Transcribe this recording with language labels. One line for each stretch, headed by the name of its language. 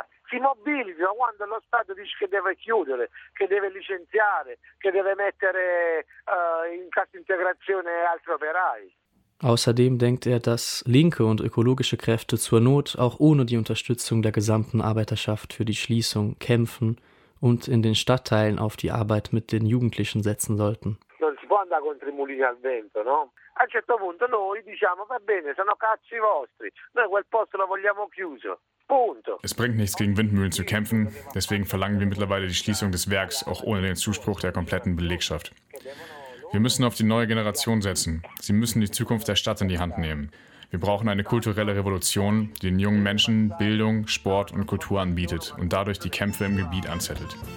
Italian: Si mobilita quando lo Stato dice che deve chiudere, che deve licenziare, che deve mettere in cassa integrazione altri operai.
German: Außerdem denkt er, dass linke und ökologische Kräfte zur Not auch ohne die Unterstützung der gesamten Arbeiterschaft für die Schließung kämpfen und in den Stadtteilen auf die Arbeit mit den Jugendlichen setzen sollten.
Italian: Non si può andare contro i mulini al vento, no? A un certo punto noi diciamo, va bene, sono cazzi vostri, noi quel posto lo vogliamo chiuso.
German: Es bringt nichts, gegen Windmühlen zu kämpfen, deswegen verlangen wir mittlerweile die Schließung des Werks, auch ohne den Zuspruch der kompletten Belegschaft. Wir müssen auf die neue Generation setzen. Sie müssen die Zukunft der Stadt in die Hand nehmen. Wir brauchen eine kulturelle Revolution, die den jungen Menschen Bildung, Sport und Kultur anbietet und dadurch die Kämpfe im Gebiet anzettelt.